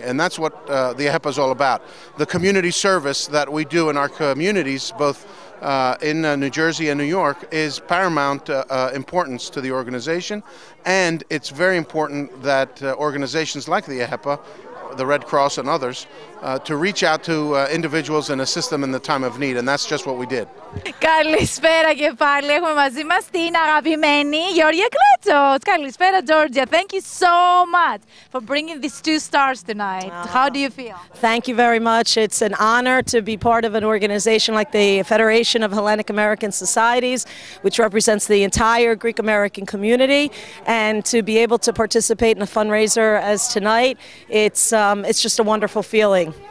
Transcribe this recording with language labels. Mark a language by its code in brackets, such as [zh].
[en] And that's what the AHEPA is all about. The community service that we do in our communities, both in New Jersey and New York, is paramount importance to the organization, and it's very important that organizations like the AHEPA, the Red Cross and others, to reach out to individuals and assist them in the time of need, and that's just what we did. [el] Καλησπέρα και πάλι. Έχουμε μαζί μας την αγαπημένη Γιώργια Κλέτσος. Καλησπέρα, Georgia. [en] Thank you so much for bringing these two stars tonight. How do you feel? Thank you very much. It's an honor to be part of an organization like the Federation of Hellenic American Societies, which represents the entire Greek American community, and to be able to participate in a fundraiser as tonight, it's just a wonderful feeling.